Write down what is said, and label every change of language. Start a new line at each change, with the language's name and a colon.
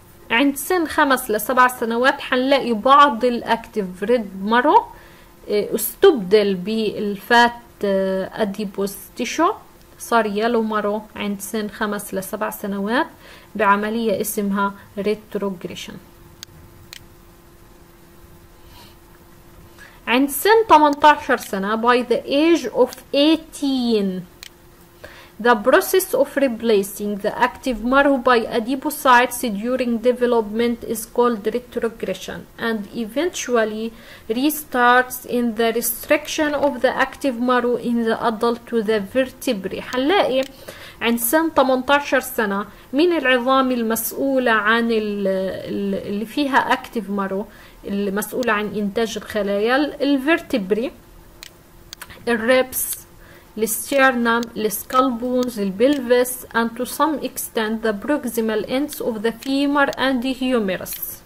Arabic: عند سن 5 لـ 7 سنوات حنلاقي بعض الأكتيف ريد مارو استبدل بالفات أديبوس تيشو، صار يلو مارو عند سن 5 لـ 7 سنوات بعملية اسمها ريتروغريشن. عند سن 18 سنة
English: by the age of 18 the process of replacing the active marrow by adipocytes during development is called retrogression and eventually restarts in the restriction of the active marrow in the adult to the vertebrae.
Arabic: حنلاقي عند سن 18 سنة من العظام المسؤولة عن اللي فيها active marrow المسؤولة عن إنتاج الخلايا الفيرتبري، الريبس، الستيرنم، السكال بونز، البلفس،
English: and to some extent the proximal ends of the femur and the humerus.